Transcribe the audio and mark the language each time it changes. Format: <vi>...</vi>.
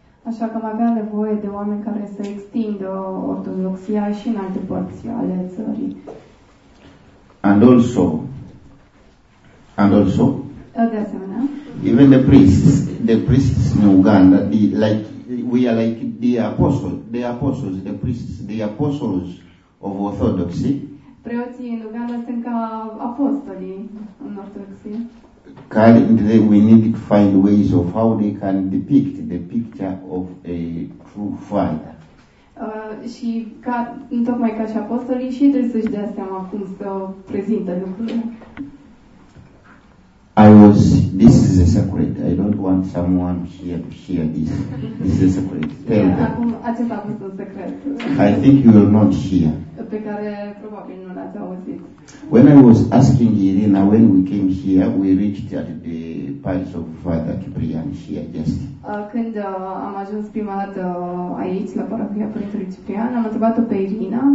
<ro>Așa că am avea nevoie de oameni care să extindă ortodoxia și în alte părți ale țării.</ro> <en>And also, even the priests in Uganda, the apostles of Orthodoxy.</en> <ro>Preoții în Uganda sunt ca apostolii în Ortodoxie.</ro> <en>Currently, we need to find ways of how they can depict the picture of a true father.</en> <ro>Și ca, tocmai ca și apostolii, și trebuie să-și dea seama cum să prezintă lucrurile.</ro> <en>This is a secret. I don't want someone here to hear this. This is a secret. Tell them.</en> <ro>Acum, acesta a fost un secret.</ro> <en>I think you will not hear.</en> <ro>Pe care probabil nu l-ați auzit.</ro> <en>When I was asking Irina, when we came here, we reached at the palace of Father Ciprian here, just.</en> <ro>Când am ajuns prima dată aici, la parohia Părintele Ciprian, am întrebat-o pe Irina.</ro>